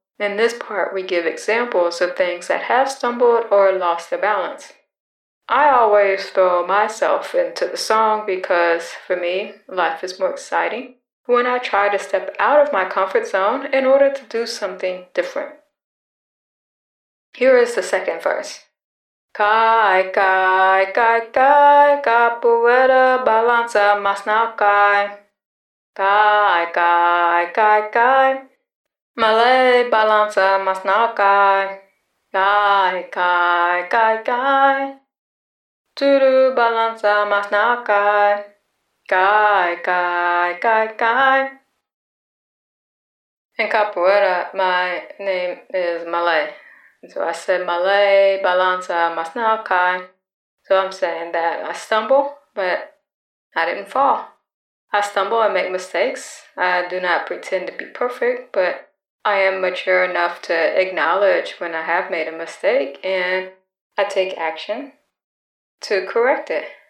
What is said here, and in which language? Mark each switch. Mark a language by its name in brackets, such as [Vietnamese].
[English] In this part, we give examples of things that have stumbled or lost their balance. I always throw myself into the song because, for me, life is more exciting when I try to step out of my comfort zone in order to do something different. Here is the second verse. [Portuguese] Cai, cai, cai, cai, capoeira balança, mas não cai. Cai, cai, cai, cai, malé balança, mas não cai. Cai, cai, cai, cai, tudo balança, mas não cai. Cai, cai, cai, cai. [English] In capoeira, my name is Malé. So I said, [Portuguese] malé, balança, mas não cai. So I'm saying that I stumble, but I didn't fall. I stumble and make mistakes. I do not pretend to be perfect, but I am mature enough to acknowledge when I have made a mistake and I take action to correct it.